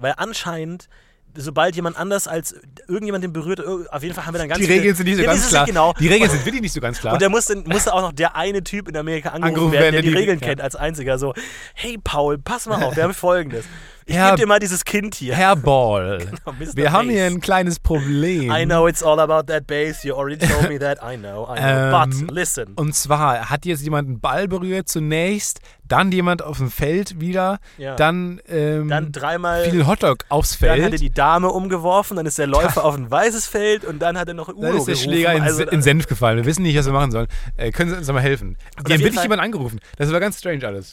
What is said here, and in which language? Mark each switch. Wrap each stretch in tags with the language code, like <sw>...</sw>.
<de>Weil anscheinend sobald jemand anders als irgendjemand den berührt, auf jeden Fall haben wir dann ganz die viele... Die Regeln sind nicht so ganz klar. Genau. Die Regeln sind wirklich nicht so ganz klar. Und da musste auch noch der eine Typ in Amerika angerufen werden, der die Regeln kennt als einziger. So, hey Paul, pass mal auf, wir haben Folgendes. Ich gebe dir mal dieses Kind hier. Herr Ball, genau, wir haben hier ein kleines Problem.</de> <en>I know it's all about that base, you already told me that, I know. But listen.</en> <de>Und zwar hat jetzt jemand einen Ball berührt zunächst, dann jemand auf dem Feld wieder, dann dreimal viel Hotdog aufs Feld. Dann hat er die Dame umgeworfen, dann ist der Läufer auf ein weißes Feld und dann hat er noch Udo gerufen. Dann ist der Schläger in Senf gefallen. Wir wissen nicht, was wir machen sollen. Können Sie uns mal helfen? Die haben wirklich jemanden angerufen. Das war ganz strange alles.</de>